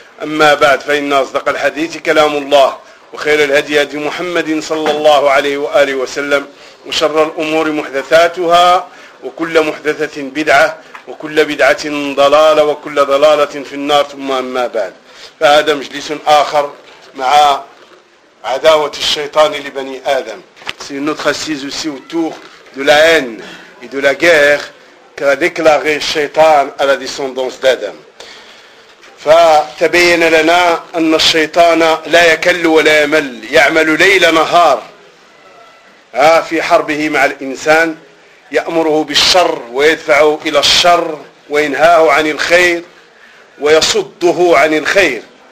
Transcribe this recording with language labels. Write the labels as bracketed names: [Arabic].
[Arabic] أما بعد، فإن أصدق الحديث كلام الله، وخير الهدي هدي محمد صلى الله عليه وآله وسلم، وشر الأمور محدثاتها، وكل محدثة بدعة، وكل بدعة ضلالة، وكل ضلالة في النار. ثم أما بعد، فهذا مجلس آخر مع عداوة الشيطان لبني آدم. [French] C'est notre assise aussi autour de la haine et de la guerre qu'a déclaré الشيطان à la descendance d'Adam. [Arabic] فتبين لنا أن الشيطان لا يكل ولا يمل، يعمل ليل نهار في حربه مع الإنسان، يأمره بالشر ويدفعه إلى الشر وينهاه عن الخير ويصده عن الخير.